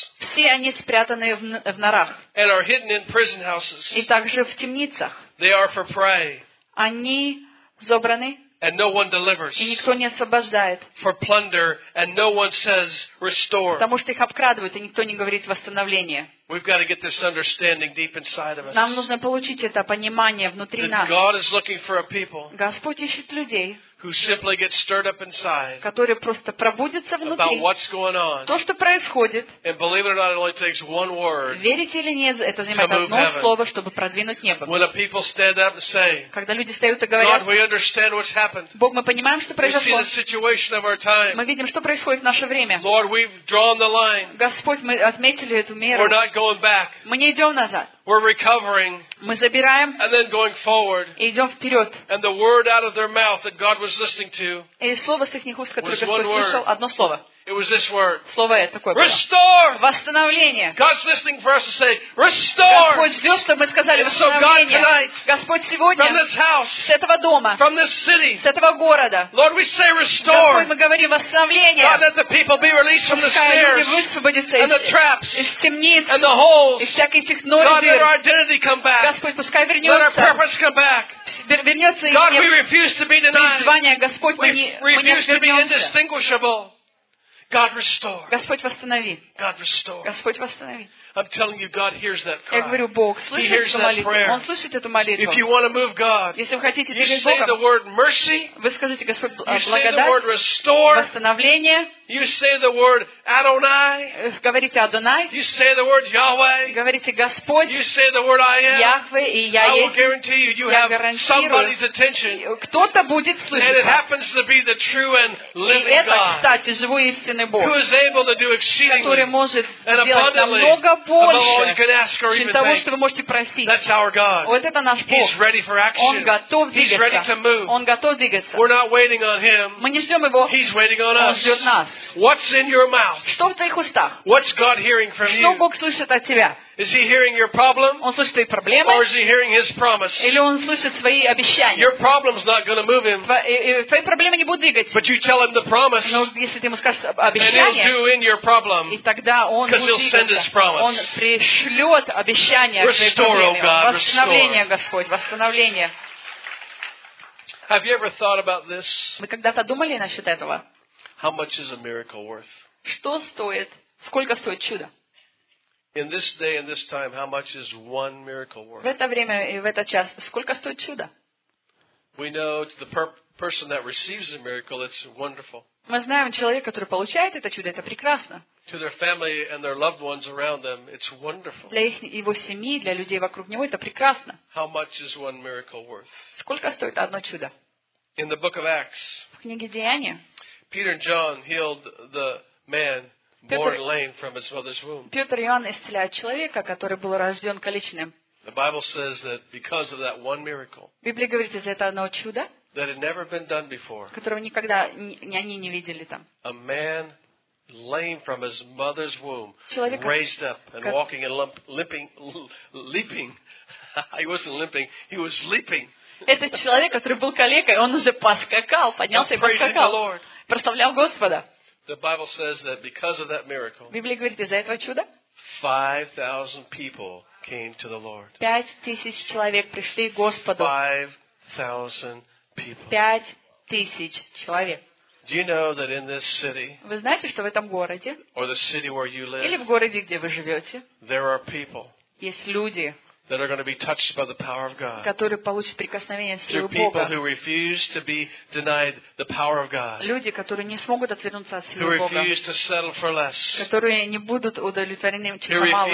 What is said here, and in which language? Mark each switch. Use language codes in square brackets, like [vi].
[ru] Все они спрятаны в норах. [en] And are hidden in prison houses. [ru] И также в темницах. [en] They are for prey. [ru] Они забраны. [en] And no one delivers. [ru] И никто не освобождает. [en] For plunder, and no one says restore. [ru] Потому что их обкрадывают, и никто не говорит восстановление. [en] We've got to get this understanding deep inside of us. [ru] Нам нужно получить это понимание внутри нас. [en] God is looking for a people. [ru] Господь ищет людей. [en] Who simply get stirred up inside. [ru] Которые просто пробудятся внутри. [en] About what's going on. [ru] То, что происходит. [en] And believe it or not, it only takes one word. [ru] Верите или нет, это занимает одно слово, чтобы продвинуть небо. [en] When a people stand up and say. [ru] Когда люди встают и говорят. [en] God, we understand what's happened. [ru] Бог, мы понимаем, что произошло. [en] We see the situation of our time. [ru] Мы видим, что происходит в наше время. [en] Lord, we've drawn the line. [ru] Господь, мы отметили эту меру. [en] We're not going back. [ru] Мы не идем назад. [en] We're recovering. [ru] Мы забираем. [en] And then going forward. [ru] И идем вперед. [en] And the word out of their mouth that God was listening to. [ru] И слово с их уст, которое Господь слышал, одно слово. [en] It was this word. [ru] Слово это такое. [en] Restore. [ru] Восстановление. [en] God's listening for us to say, restore. [ru] Господь ждет, чтобы мы сказали восстановление. [en] And so God tonight. [ru] Господь сегодня. [en] From this house. [ru] С этого дома. [en] From this city. [ru] С этого города. [en] Lord, we say restore. [ru] Господь, мы говорим восстановление. [en] God, let the people be released from the snares. And the traps. [ru] Из темниц. [en] And the holes. [ru] Из всяких этих нор. [en] God, let our identity come back. [ru] Господь, пускай вернется. [en] Let our purpose come back. [ru] Вернется [en] God, we refuse to be denied. [ru] Призвание, Господь, мы не [en] refuse to be indistinguishable. God restore. [ru] Господь восстанови. [en] God restore. [ru] Господь восстанови. [en] I'm telling you, God hears that cry. [ru] Я говорю, Бог слышит [en] He hears [ru] эту молитву. [en] That prayer. [ru] Он слышит эту молитву. [en] If you want to move God, [ru] если вы хотите [en] you [ru] двигать Богом, [en] the word mercy, [ru] вы скажите, Господь, [en] you [ru] благодать, [en] say the word restore, [ru] восстановление. [en] You say the word Adonai. [ru] Говорите Адонай. [en] You say the word Yahweh. [ru] Говорите Господь. [en] You say the word I am. [ru] Яхве, и я есть. [en] I will guarantee you, you have somebody's attention. [ru] Кто-то будет слышать. [en] And it happens to be the true and living God. [ru] И это, кстати, живой истинный Бог. [en] Who is able to do exceedingly, [ru] который может сделать намного больше, чем того, [en] think. [ru] Что вы можете просить. [en] That's our God. [ru] Вот это наш Бог. [en] He's ready for action. [ru] Он готов двигаться. [en] He's ready to move. [ru] Он готов двигаться. [en] We're not waiting on him. [ru] Мы не ждем его. [en] He's waiting on us. [ru] Ждет нас. [en] What's in your mouth? [ru] Что в твоих устах? [en] What's God hearing from [ru] Что [en] you? [ru] Бог слышит от тебя? [en] Is he hearing your problem? [ru] Он слышит твои проблемы? [en] Or is he hearing his promise? [ru] Или он слышит свои обещания? [en] Your problem's not going to move him. [ru] Твои проблемы не будут двигать. [en] But you tell him the promise. [ru] Но если ты ему скажешь обещание, [en] and he'll do in your problem. [ru] И тогда он будет двигаться. [en] Because he'll send his promise. [ru] Он пришлет обещание. [en] Restore, oh God, restore. [ru] Восстановление, Господь, восстановление. [en] Have you ever thought about this? [ru] Вы когда-то думали насчет этого? [en] How much is a miracle worth? [ru] Что стоит? Сколько стоит чудо? [en] In this day and this time, how much is one miracle worth? [ru] В это время и в этот час сколько стоит чудо? [en] We know to the person that receives the miracle, it's wonderful. [ru] Мы знаем человека, который получает это чудо, это прекрасно. [en] To their family and their loved ones around them, it's wonderful. [ru] Для их его семьи, для людей вокруг него это прекрасно. [en] How much is one miracle worth? [ru] Сколько стоит одно чудо? [en] In the book of Acts. [ru] В книге Деяний. [en] Peter and John healed the man. Born lame from his mother's womb. [ru] Петр и Иоанн исцеляют человека, который был рожден калечным. [en] The Bible says that because of that one miracle. [ru] Библия говорит из-за этого одного чуда. [en] That had never been done before. [ru] Которого никогда они не видели там. [en] A man lame from his mother's womb. [ru] Человека, [en] raised up and walking and leaping. He wasn't limping. He was leaping. [ru] Этот человек, который был калекой, он уже поскакал, поднялся и поскакал, прославлял Господа. [en] The Bible says that because of that miracle, [ru] Библия говорит, из-за этого чуда, [en] 5,000 people came to the Lord. [ru] 5,000 человек пришли к Господу. [en] 5,000 people. [ru] 5,000 человек. [en] Do you know that in this city, [ru] вы знаете, что в этом городе, [en] or the city where you live, [ru] или в городе, где вы живете, [en] there are people, [ru] есть люди, [en] that are going to be touched by the power of God. [ru] Которые получат прикосновение силы Бога. [en] People who refuse to be denied the power of God. [ru] Люди, которые не смогут отвернуться от силы Бога. [en] Who refuse to settle for less. [ru] Которые не будут удовлетворены чем-то малым.